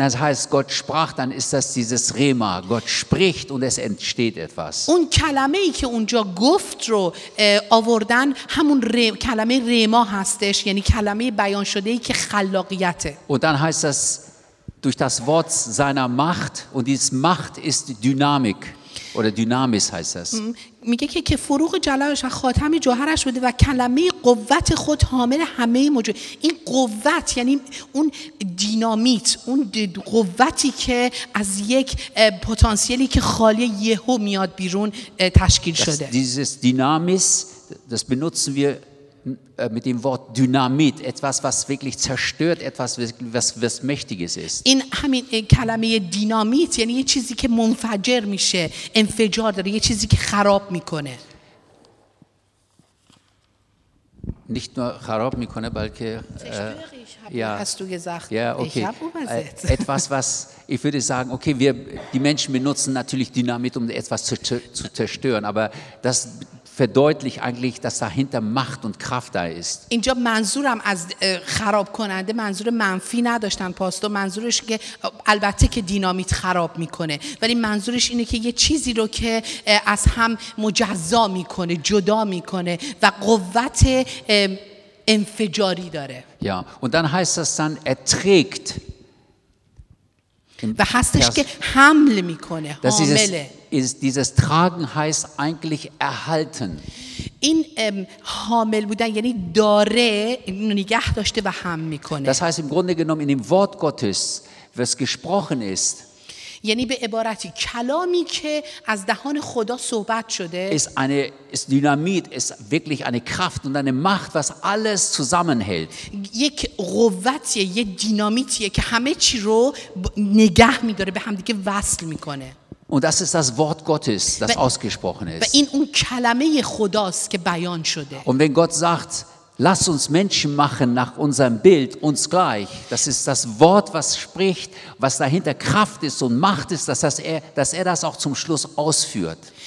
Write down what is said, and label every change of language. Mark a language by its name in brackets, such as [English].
[German] Und wenn es heißt Gott sprach, dann ist das dieses Rema. Gott spricht und es entsteht etwas. [Persian] اون کلمه ای که اونجا گفت رو آوردن همون کلمه ریما هستش یعنی کلمه بیان شده ای که خلاقیته. [German] Und dann heißt das durch das Wort seiner Macht und dieses Macht ist Dynamik. Oder Dynamis heißt das. [Persian] میگه که فروغ جلالش و خاتم جوهرش بوده و کلمه قوت خود حامل همه موجود این قوت یعنی اون دینامیت اون قوتی که از یک پتانسیلی که خالی یهو میاد بیرون تشکیل شده [German] dieses Dynamis das benutzen wir mit dem Wort Dynamit etwas was wirklich zerstört etwas was mächtiges ist. [Persian] این همین کلمه دینامیت یعنی یه چیزی که منفجر میشه انفجار داره یه چیزی که خراب میکنه. [German] Nicht nur [Persian] خراب میکنه بلکه [German] ja hast du gesagt ja okay etwas was ich würde sagen okay wir die Menschen benutzen natürlich Dynamit um etwas zu zerstören aber das verdeutlicht eigentlich, dass dahinter Macht und Kraft da ist. [Persian] اینجا منظورم از خراب کننده منظور منفی نداشتن پاستو منظورش که البته که دینامیت خراب میکنه ولی منظورش اینه که یه چیزی رو که از هم مجزا میکنه جدا میکنه و قوت انفجاری داره. [German] Ja, und dann heißt das dann erträgt. [Persian] و هستش که حمل میکنه حامله. [German] ist dieses Tragen heißt eigentlich erhalten. [Persian] این حامل بودن یعنی داره نگه داشته و هم میکنه. [German] Das heißt im Grunde genommen in dem Wort Gottes, was gesprochen ist. [Persian] یعنی به عبارتی کلامی که از دهان خدا صحبت شده. [German] Ist Dynamit, ist wirklich eine Kraft und eine Macht, was alles zusammenhält. [Persian] یک قوتیه، یک دینامیتیه که همه چی رو نگه میداره به همدیگه وصل میکنه. [German] Und das ist das Wort Gottes, das ausgesprochen ist. [Persian] این اون کلمه خداست که بیان شده. [German] Und wenn Gott sagt, lass uns Menschen machen nach unserem Bild, uns gleich, das ist das Wort, was spricht, was dahinter Kraft ist und Macht ist, dass er das auch zum Schluss ausführt.